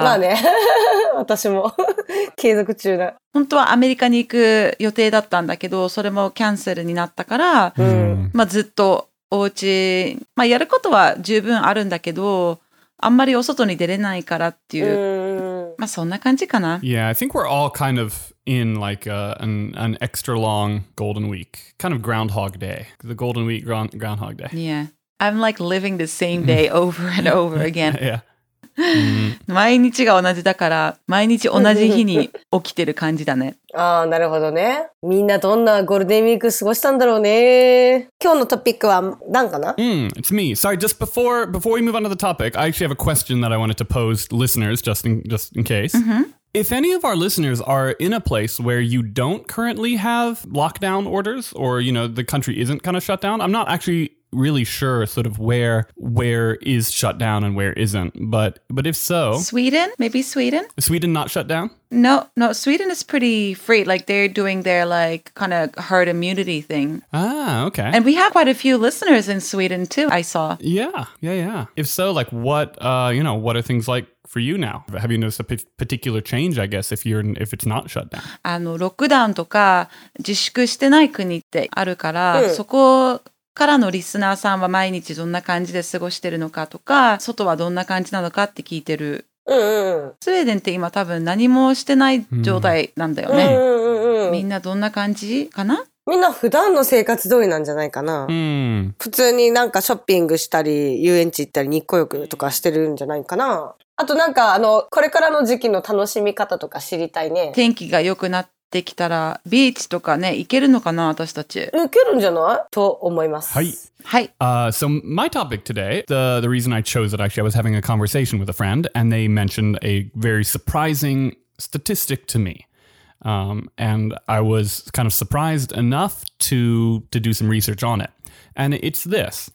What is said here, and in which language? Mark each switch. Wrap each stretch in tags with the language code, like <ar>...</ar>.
<ja>まあね。私も継続中だ。本当はアメリカに行く予定だったんだけど、それもキャンセルになったから、うん、まあずっとお家、まあやることは十分あるんだけど、あんまりお外に出れないからっていう、うん、まあそんな感じかな。</ja> <en>Yeah, I think we're all kind of in like an extra long golden week. Kind of groundhog day. The golden week groundhog day. Yeah. I'm like living the same day over and over again. Yeah. Mm-hmm.</en> <ja>毎日が同じだから、毎日同じ日に起きてる感じだね。ああ、なるほどね。みんなどんなゴールデンウィーク過ごしたんだろうね。今日のトピックは何かな？</ja> <en>Mm, it's me. Sorry, just before we move on to the topic, I actually have a question that I wanted to pose listeners just in case. Mm-hmm. If any of our listeners are in a place where you don't currently have lockdown orders, or you know, the country isn't kind of shut down, I'm not actually really sure sort of where is shut down and where isn't, but if so, Sweden, maybe Sweden. Is Sweden not shut down? No, Sweden is pretty free. Like they're doing their like kind of herd immunity thing. Ah, okay. And we have quite a few listeners in Sweden too, I saw. Yeah. If so, like what you know, what are things like for you now? Have you noticed a particular change, I guess, if it's not shut down?</en> <ja>ロックダウンとか自粛してない国ってあるから、そこからのリスナーさんは毎日どんな感じで過ごしてるのかとか、外はどんな感じなのかって聞いてる。スウェーデンって今多分何もしてない状態なんだよね。みんなどんな感じかな？みんな普段の生活通りなんじゃないかな。普通になんかショッピングしたり、遊園地行ったり、日光浴とかしてるんじゃないかな。あとなんかこれからの時期の楽しみ方とか知りたいね。天気が良くなってできたらビーチとかね行けるのかな私たち行けるんじゃないと思います。はい。はい。</ja> <en>So my topic today, the reason I chose it, actually I was having a conversation with a friend and they mentioned a very surprising statistic to me. And I was kind of surprised enough to do some research on it. And it's this.</en>